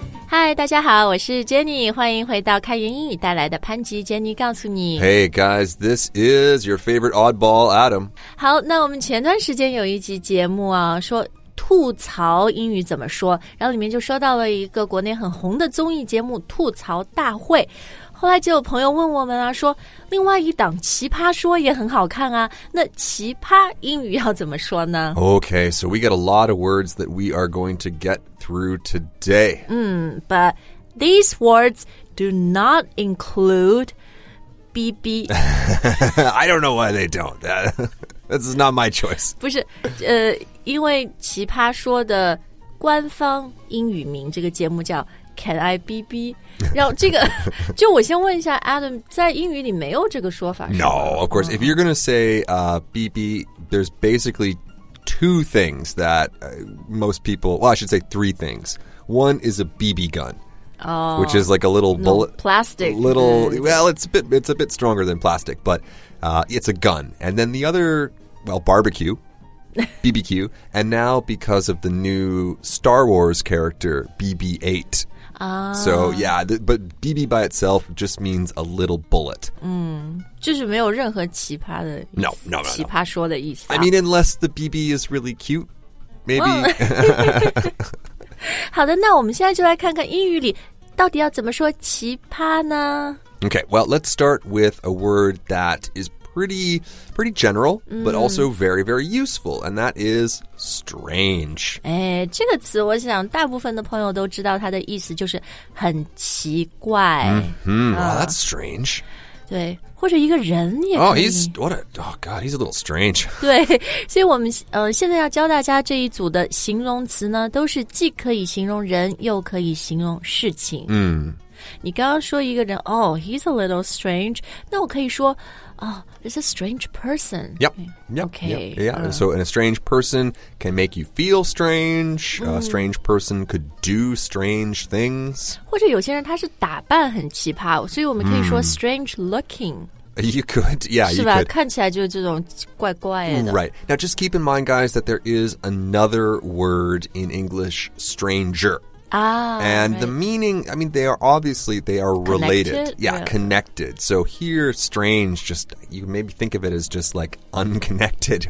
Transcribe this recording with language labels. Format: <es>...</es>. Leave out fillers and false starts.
<zh>嗨，大家好，我是 Jenny， 欢迎回到开源英语带来的潘吉 Jenny 告诉你。</zh> <en>Hey guys, this is your favorite oddball, Adam.</en> <zh>好，那我们前段时间有一集节目啊，说吐槽英语怎么说，然后里面就说到了一个国内很红的综艺节目《吐槽大会》。后来就有朋友问我们啊，说另外一档《奇葩说》也很好看啊，那奇葩英语要怎么说呢？</zh> <en>Okay, so we got a lot of words that we are going to get through today. But these words do not include BB. I don't know why they don't. This is not my choice.</en> <zh>不是，因为《奇葩说》的官方英语名，这个节目叫Can I BB? 然后这个就我先问一下 Adam, 在英语里没有这个说法是吗?</zh> <en>No, of course. If you're going to say BB, there's basically two things that most people, well, I should say three things. One is a BB gun. Oh, which is like a little bullet. No, plastic. Little, well, it's a bit stronger than plastic, but it's a gun. And then the other, well, barbecue. BBQ, and now because of the new Star Wars character, BB-8.、So, yeah, but BB by itself just means a little bullet.、</en> <zh>就是没有任何奇葩的意思。</zh> <en>No.</en> <zh>奇葩说的意思、</zh> <en>啊。I mean, unless the BB is really cute, maybe.</en> <zh>好的，那我们现在就来看看英语里到底要怎么说奇葩呢？</zh> <en>Okay, well, let's start with a word that is pretty general, but also very, very useful, and that is strange.</en> <zh>哎，这个词我想大部分的朋友都知道它的意思，就是很奇怪。</zh> <en>Well, that's strange.</en> <zh>对，或者一个人也可</zh> <en>以。He's a little strange.</en> <zh>对，所以我们现在要教大家这一组的形容词呢，都是既可以形容人，又可以形容事情。你刚刚说一个人，</zh> <en>he's a little strange.</en> <zh>那我可以说，</zh> <en>it's a strange person. Yep. So, and a strange person can make you feel strange. A strange person could do strange things.</en> <zh>或者有些人他是打扮很奇葩，所以我们可以说</zh> <en>strange looking. You could, yeah, you could.</en> <zh>是吧？看起来就是这种怪怪的。</zh> <en>Right. Now, just keep in mind, guys, that there is another word in English, stranger. And the meaning, I mean, they are related. Connected? Yeah, connected. So here, strange, just, you maybe think of it as just like unconnected.</en>